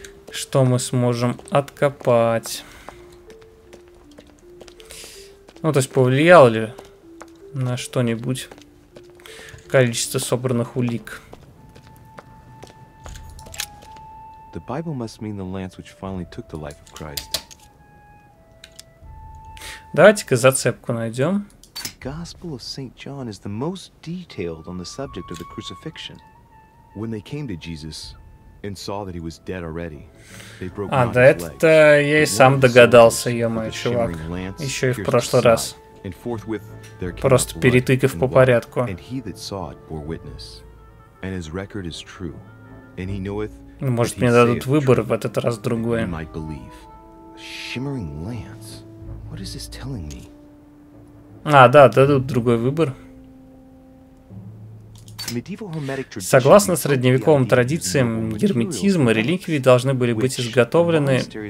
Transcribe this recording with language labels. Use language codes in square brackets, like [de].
[ru] Что мы сможем откопать? Ну, то есть, повлияло ли на что-нибудь количество собранных улик? [en] The Bible must mean the lance which finally took the life of Christ. [ru] Давайте-ка зацепку найдем. [en] Gospel of Saint John is the most detailed on the subject of the crucifixion. When they came to Jesus and saw that he was dead already, they broke down. [ru] А да, это я и сам догадался, ё-моё, чувак. Еще и в прошлый раз. Просто перетыкав по порядку. [en] And he that saw it bore witness, and his record is true, and he knoweth. [ru] Ну, может, мне дадут выбор в этот раз другой. [en] Shimmering lance. What is this telling me? [ru] А, да, дадут другой выбор. Согласно средневековым традициям герметизма, реликвии должны были быть изготовлены.